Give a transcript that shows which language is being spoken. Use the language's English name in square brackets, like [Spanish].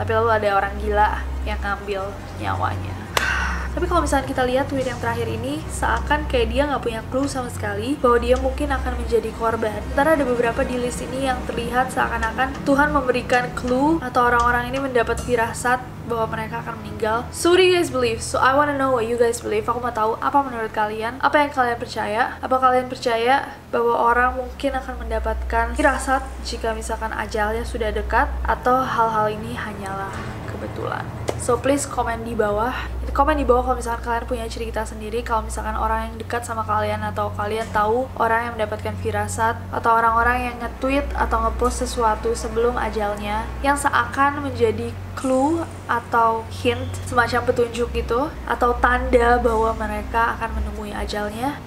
[Indonesian] Tapi lalu ada orang gila yang ngambil nyawanya. Tapi kalau misalnya kita lihat tweet yang terakhir ini, seakan kayak dia nggak punya clue sama sekali bahwa dia mungkin akan menjadi korban. Ntar ada beberapa di list ini yang terlihat seakan-akan Tuhan memberikan clue atau orang-orang ini mendapat firasat bahwa mereka akan meninggal. [English] So what do you guys believe? So I wanna know what you guys believe. [Indonesian] Aku mau tahu apa menurut kalian, apa yang kalian percaya. Apa kalian percaya bahwa orang mungkin akan mendapatkan firasat jika misalkan ajalnya sudah dekat, atau hal-hal ini hanyalah kebetulan? [English] So please comment [Indonesian] di bawah. Komen di bawah kalau misalkan kalian punya cerita sendiri, kalau misalkan orang yang dekat sama kalian atau kalian tahu orang yang mendapatkan firasat, atau orang-orang yang nge-tweet atau nge-post sesuatu sebelum ajalnya yang seakan menjadi clue atau hint, semacam petunjuk gitu, atau tanda bahwa mereka akan menemui ajalnya.